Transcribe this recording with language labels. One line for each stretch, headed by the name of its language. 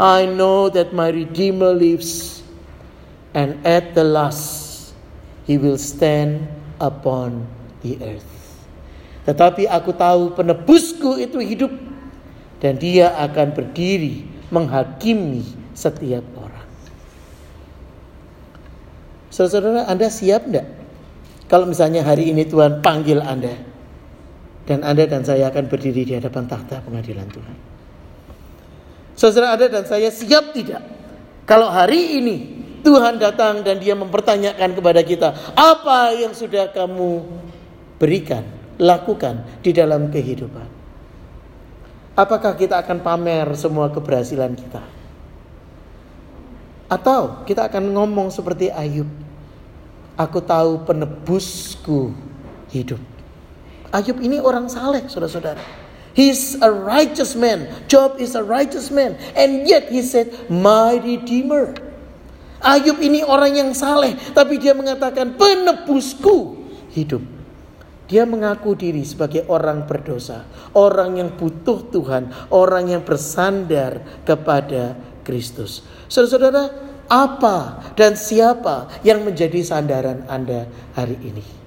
English: I know that my Redeemer lives, and at the last He will stand upon the earth.
Indonesian: Tetapi aku tahu penebusku itu hidup, dan dia akan berdiri menghakimi setiap orang. Saudara-saudara, Anda siap enggak? Kalau misalnya hari ini Tuhan panggil Anda, dan Anda dan saya akan berdiri di hadapan tahta pengadilan Tuhan. Saudara, Anda dan saya siap tidak? Kalau hari ini Tuhan datang dan dia mempertanyakan kepada kita, apa yang sudah kamu berikan, lakukan di dalam kehidupan? Apakah kita akan pamer semua keberhasilan kita? Atau kita akan ngomong seperti Ayub, aku tahu penebusku hidup. Ayub ini orang saleh, saudara-saudara.
English: He's a righteous man. Job is a righteous man. And yet he said, my Redeemer.
Indonesian: Ayub ini orang yang saleh, tapi dia mengatakan penebusku hidup. Dia mengaku diri sebagai orang berdosa, orang yang butuh Tuhan, orang yang bersandar kepada Kristus. Saudara-saudara, apa dan siapa yang menjadi sandaran Anda hari ini?